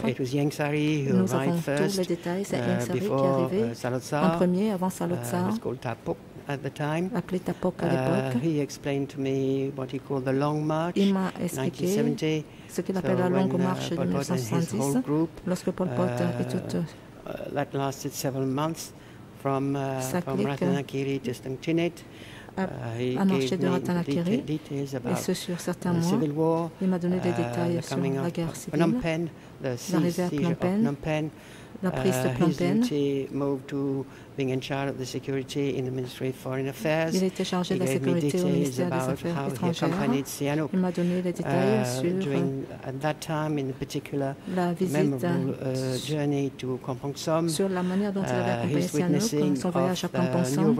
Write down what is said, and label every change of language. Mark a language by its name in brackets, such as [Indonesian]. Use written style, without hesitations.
[French] Nous avons tous les détails, c'est Yangsari qui est arrivé en premier avant Salotsar. [English] At the time, [French] appelé Tapok à l'époque. [English] He explained to me what he called the Long March. [French] Il m'a expliqué ce qu'il appelle la Longue Marche de 1970, lorsque Pol Pot et toute [English] that lasted several months from Ratanakiri to Stangchinit. [French] A marché de Ratanakiri et ce sur certains mois. Il m'a donné des détails sur la guerre civile, l'arrivée à Phnom Penh, la prise de Phnom Penh. [English] Being in charge of the security in the Ministry of Foreign Affairs. [French] Il était chargé de la sécurité au ministère des Affaires étrangères. Il m'a donné les détails sur la visite [English] journey to Kampong Som, [French] sur la manière dont il avait accompagné Sihanouk, son voyage à Kampong Som.